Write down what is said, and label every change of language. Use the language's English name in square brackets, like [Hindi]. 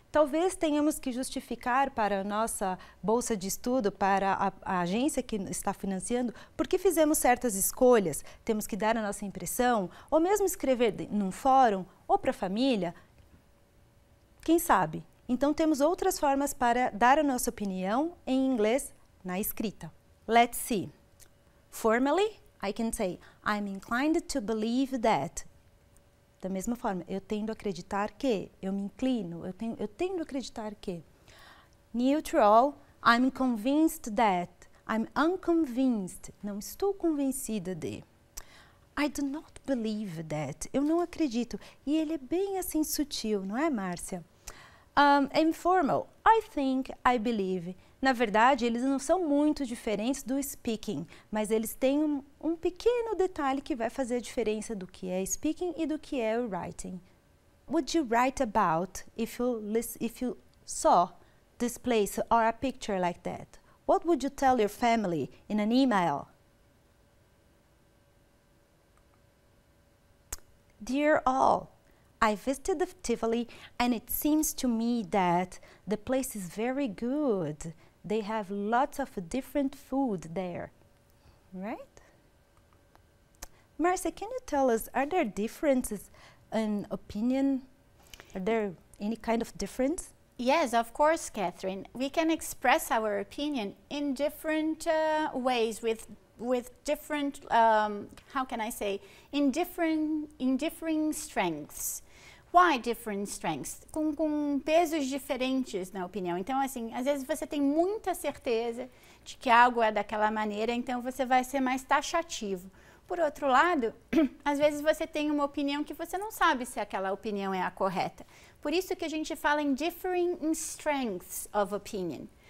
[Portuguese] Talvez tenhamos que justificar para a nossa bolsa de estudo, para a agência que está financiando, porque fizemos certas escolhas. Temos que dar a nossa impressão. Ou mesmo escrever num fórum ou para a família. Quem sabe? Então temos outras formas para dar a nossa opinião em inglês na escrita. [English] Let's see. Formally, I can say, I'm inclined to believe that. [Portuguese] Da mesma forma, eu tendo a acreditar que, eu me inclino, eu tendo a acreditar que. [English] Neutral, I'm convinced that. I'm unconvinced. [Portuguese] Não estou convencida de. [English] I do not believe that. [Portuguese] Eu não acredito. E ele é bem assim sutil, não é, Márcia? [English] Informal, I think, I believe. [Portuguese] Na verdade, eles não são muito diferentes do speaking, mas eles têm um pequeno detalhe que vai fazer a diferença do que é speaking e do que é writing. [English] Would you write about if you saw this place or a picture like that? What would you tell your family in an email? Dear all, I visited the Tivoli and it seems to me that the place is very good. They have lots of different food there, right? Marcia, can you tell us, are there differences in opinion? Are there any kind of difference? Yes, of course, Katherine. We can express our opinion in different ways with different, how can I say, in differing strengths. Why different strengths? [Portuguese] Com pesos diferentes na opinião. Então, assim, às vezes você tem muita certeza de que algo é daquela maneira, então você vai ser mais taxativo. Por outro lado, às vezes você tem uma opinião que você não sabe se aquela opinião é a correta. Por isso que a gente fala em [English] differing in strengths of opinion.